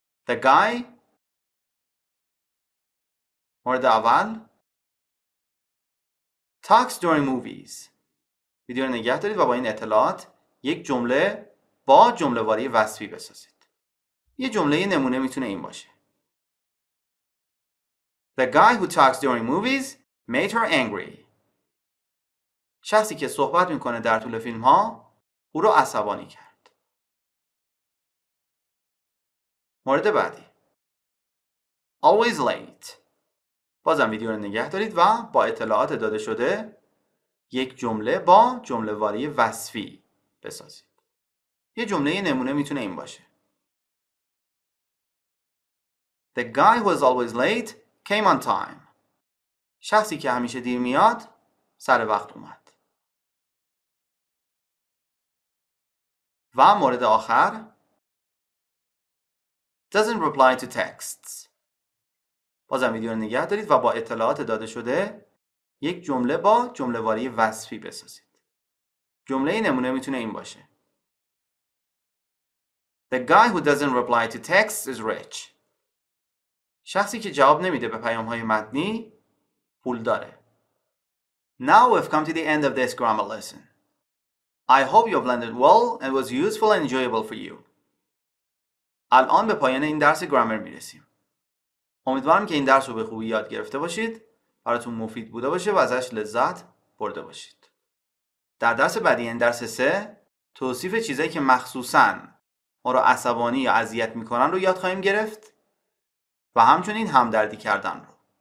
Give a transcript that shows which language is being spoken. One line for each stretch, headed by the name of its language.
English: The guy
Persian: مورد اول
English: talks during movies.
Persian: ویدیو رو نگه دارید و با این اطلاعات یک جمله با جمله واری وصفی بسازید. یه جمله نمونه میتونه این باشه.
English: The guy who talks during movies made her angry.
Persian: شخصی که صحبت میکنه در طول فیلم ها او رو عصبانی کرد. مورد بعدی
English: Always late.
Persian: بازم ویدیو رو نگه دارید و با اطلاعات داده شده یک جمله با جمله واری وصفی بسازید. یه جمله نمونه میتونه این باشه.
English: The guy who is always late came on time.
Persian: شخصی که همیشه دیر میاد سر وقت اومد. و مورد آخر
English: doesn't reply to texts.
Persian: بازم ویدیو رو نگه دارید و با اطلاعات داده شده یک جمله با جمله واری وصفی بسازید. جمله نمونه میتونه این باشه.
English: The guy who doesn't reply to texts is rich.
Persian: شخصی که جواب نمیده به پیام‌های متنی پول داره.
English: Now we've come to the end of this grammar lesson. I hope you've learned well and was useful and enjoyable for you.
Persian: الان به پایان این درس گرامر میرسیم. امیدوارم که این درس رو به خوبی یاد گرفته باشید، براتون مفید بوده باشه و ازش لذت برده باشید. در درس بعدی، این درس 3، توصیف چیزایی که مخصوصاً ما رو عصبانی یا اذیت میکنن رو یاد خواهیم گرفت و همچنین همدردی کردن رو.